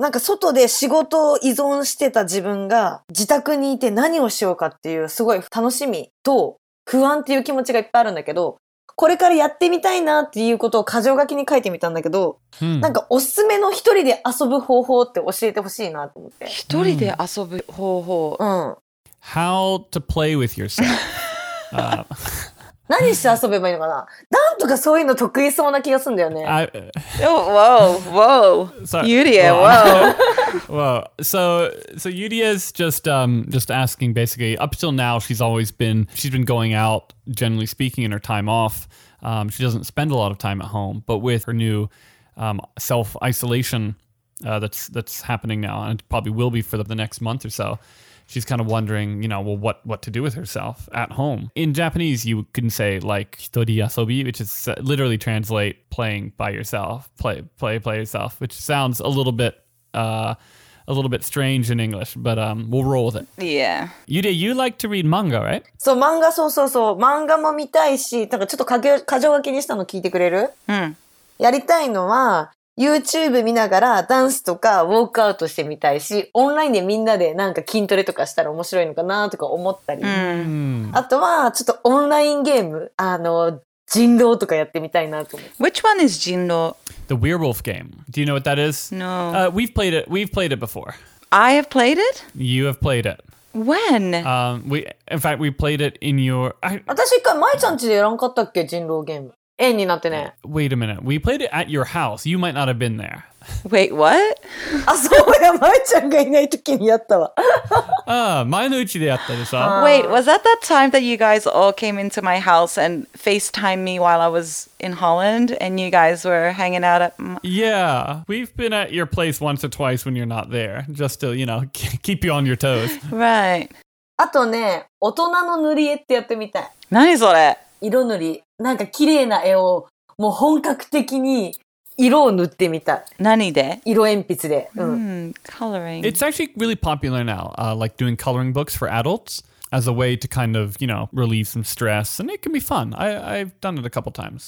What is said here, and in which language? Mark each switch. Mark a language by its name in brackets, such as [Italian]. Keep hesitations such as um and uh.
[Japanese] なんか外で仕事を依存してた自分が自宅にいて何をしようかっていうすごい楽しみと、不安っていう気持ちがいっぱいあるんだけど、これからやってみたいなっていうことを箇条書きに書いてみたんだけど、うん、なんかおすすめの一人で遊ぶ方法って教えてほしいなと思って、うん。一人で遊ぶ方法。うん。 [English] How to play with yourself.、Uh. [Japanese] 何して遊べばいいのかな とかそういうの得意そうな気がするんだよね。わお、わお。ユリエ、わお。 [English] Well, uh, so so Yudia's just um just asking basically up till now she's always been she's been going out generally speaking in her time off. Um, she doesn't spend a lot of time at home, but with her new um, self isolation uh, that's that's happening now and probably will be for the, the next month or so she's kind of wondering, you know, well, what what to do with herself at home. In Japanese, you can say like [Japanese] "hitori asobi," [English] which is uh, literally translate "playing by yourself," play play play yourself, which sounds a little bit uh, a little bit strange in English, but um, we'll roll with it. Yeah, Yude, you like to read manga, right? So manga, so so so [Japanese] manga も見たいし、なんかちょっと箇条書きにしたの聞いてくれる？うん。やりたいのは、YouTube 見ながらダンスとかウォークアウトしてみたいし、オンラインでみんなでなんか筋トレとかしたら面白いのかなとか思ったり。あとは、ちょっとオンラインゲーム、あの、人狼とかやってみたいなと思って。 [English] Which one is 人狼 ?The Werewolf game. Do you know what that is? No.、we've played it, we've played it before. I have played it? You have played it. When? u we, in fact, we played it in your. I, [Japanese] 私一回、まいちゃんちでやらんかったっけ人狼ゲーム。円になってね。 [English] Wait a minute. We played it at your house. You might not have been there. Wait, what? [Japanese] あ、そうや、まえちゃんがいないときにやったわ。ああ、前のうちでやったでさ。 [English] Wait, uh uh. was that that time that you guys all came into my house and FaceTime me while I was in Holland and you guys were hanging out at Yeah, we've been at your place once or twice when you're not there, just to, you know, keep you on your toes. right. [Japanese] あとね、大人の塗り絵ってやってみたい。何それ色塗り。なんか綺麗な絵を、もう本格的に色を塗ってみた。何で色鉛筆で。う [English] ん。coloring. It's actually really popular now,、uh, like doing coloring books for adults. As a way to kind of, you know, relieve some stress. And it can be fun. I, I've done it a couple times.